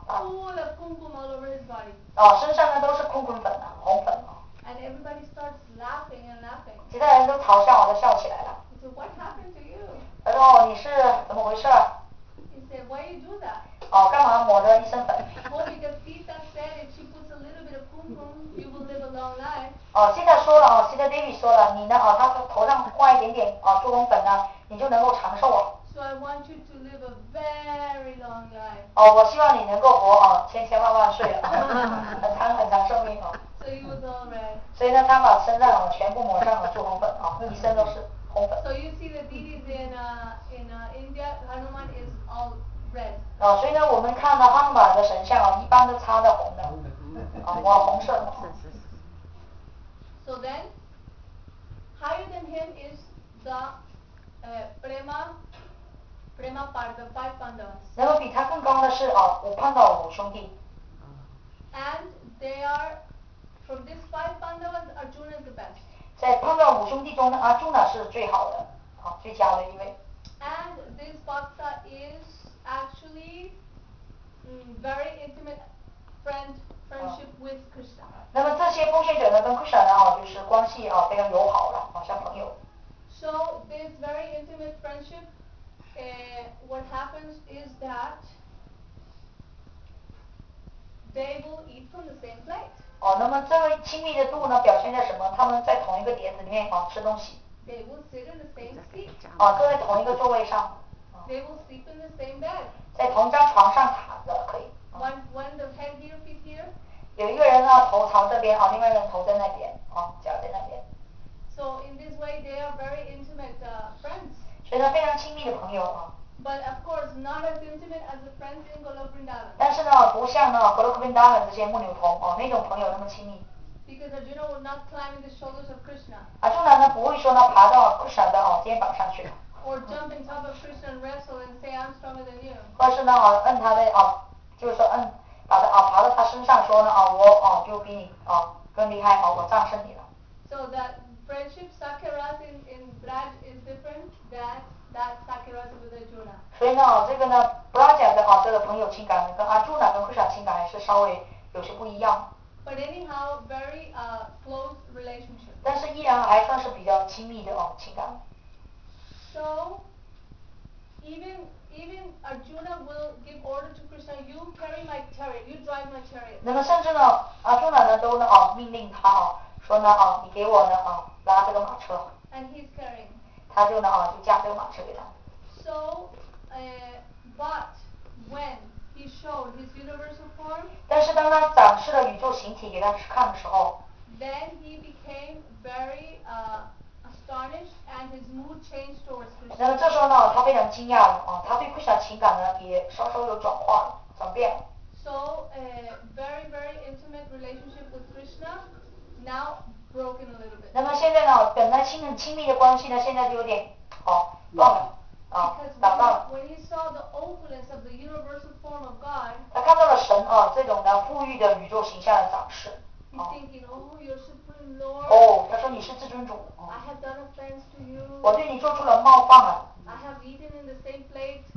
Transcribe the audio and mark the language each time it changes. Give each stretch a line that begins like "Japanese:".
English: Full of kumkum all over his body.
Chinese: 哦，身上呢都是kumkum粉啊，红粉啊。
English: And everybody starts laughing and laughing.
Chinese: 其他人都嘲笑啊，都笑起来了。
English: So what happened to you?
Chinese: 他说你是怎么回事
English: ？He said, why you do that?
Chinese: 哦，干嘛抹的一身粉
English: ？Well, because Sita said if she puts a little bit of kumkum, you will live a long life.
Chinese: 哦，现在说了哦，现在 David 说了，你呢？哦，他头上挂一点点哦，猪笼粉呢，你就能够长寿啊。
English: So I want you to live a very long life.
Chinese: 哦，我希望你能够活哦，千千万万岁，很长很长寿命哦。
English: So you was all right.
Chinese: 所以呢，他把身上哦全部抹上了猪笼粉啊，一身都是红粉。
English: So you see the deities in India, Hanuman is all red.
Chinese: 哦，所以呢，我们看到汉马的神像啊，一般都擦的红的，啊、哦，哇，红色的。
English: So then, higher than him is the Prema Pardava, five Pandavas.
Chinese: 那么比他更高的是啊，五胖的五兄弟。
English: And they are from these five Pandavas, Arjuna is the best.
Chinese: 在胖的五兄弟中呢，阿朱呢是最好的，啊，最佳的一位。
English: And this Bhakta is actually very intimate friendship with Krishna.
Chinese: 那么这些奉献者呢，跟 Krishna 呢啊，就是关系啊非常友好的啊，像朋友。
English: So this very intimate friendship, what happens is that they will eat from the same plate.
Chinese: 哦，那么这位亲密的度呢，表现在什么？他们在同一个碟子里面啊吃东西。
English: They will sit in the same seat.
Chinese: 啊，坐在同一个座位上。
English: They will sleep in the same bed.
Chinese: 在同一张床上躺着可以。
English: When the head here, feet here.
Chinese: 有一个人呢头朝这边啊，另外一个人头在那边啊，脚在那边。
English: So in this way they are very intimate friends.
Chinese: 所以他非常亲密的朋友啊。
English: But of course not as intimate as the friends in Goloka Vrindavan.
Chinese: 但是呢，不像呢 Goloka Vrindavan 这些牧牛童哦、啊、那种朋友那么亲密。
English: Because Arjuna would not climb in the shoulders of Krishna.
Chinese: 阿朱呢不会说呢爬到 Krishna 的哦、啊、肩膀上去。
English: Or jump in top of Krishna and wrestle and say I'm stronger than you.
Chinese: 或是呢啊摁他的啊，就是说摁。把他啊爬到他身上说呢啊我啊就比你啊更厉害啊我战胜你了。
English: So that friendship Sakya Rasa in Braj is different than that Sakya Rasa with Arjuna.
Chinese: 所以呢这个呢 Braj 的啊这个朋友情感呢跟 Arjuna 跟 Krishna 情感还是稍微有些不一样。
English: But anyhow very close relationship.
Chinese: 但是依然还算是比较亲密的哦、啊、情感。
English: So even Arjuna will give order to Krishna, you carry my chariot, you drive my chariot.
Chinese: 那么甚至呢，阿朱那呢都呢啊命令他啊说呢啊你给我呢啊拉这个马车。
English: And he's carrying.
Chinese: 他就呢啊就驾这个马车给他。
English: So, but when he showed his universal form.
Chinese: 但是当他展示了宇宙形体给他看的时候。
English: Then he became very astonished. astonished and his mood changed towards Krishna.
Chinese: 那么这时候呢，他非常惊讶了，他对 Krishna 情感呢也稍稍有转化转变。
English: So a very very intimate relationship with Krishna now broken a little bit.
Chinese: 那么现在呢，本来亲密的关系呢，现在就有点断了。
English: When he saw the opulence of the universal form of God,
Chinese: 他看到了神啊，这种呢富裕的宇宙形象的展示。
English: He's thinking, Oh, your supreme Lord.
Chinese: 哦，他说你是至尊主。
English: I have done offense to you.
Chinese: 我对你做出了冒犯啊。
English: I have eaten in the same plate.